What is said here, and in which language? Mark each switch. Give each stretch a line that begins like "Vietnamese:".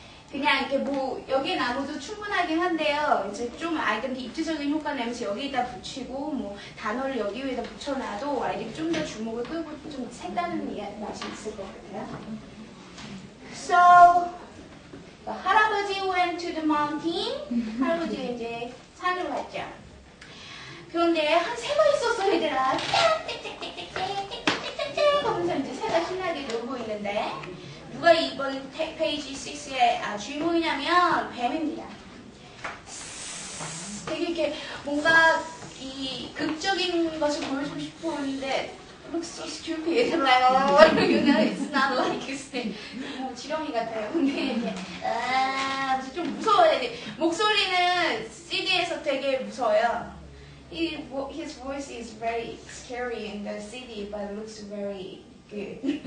Korean: 그냥 이렇게 뭐 여기에 나무도 충분하긴 한데요. 이제 좀 아이 근데 입지적인 효과 내면서 여기에다 붙이고 뭐 단어를 여기 위에다 붙여놔도 아이들이 좀더 주목을 끌고 좀 색다른 맛이 있을 것 같아요.
English: So, 할아버지 went to the mountain.
Korean: 할아버지 이제 산으로 갔죠. 그런데 한 새가 있었어 얘들아. 띡띡띡띡띡띡띡띡띡 하면서 이제 새가 신나게 놀고 있는데. 누가 이번 페이지 6의 주인공이냐면 뱀입니다. 되게 이렇게 뭔가 이 극적인 것을 보여주고 싶었는데 looks so stupid.
English: You know, it's not like it's 뭐 지렁이 같아요.
Korean: 근데 이렇게 좀 무서워요. 목소리는 CD에서 되게 무서워요.
English: His voice is very scary in the CD, but it looks very good.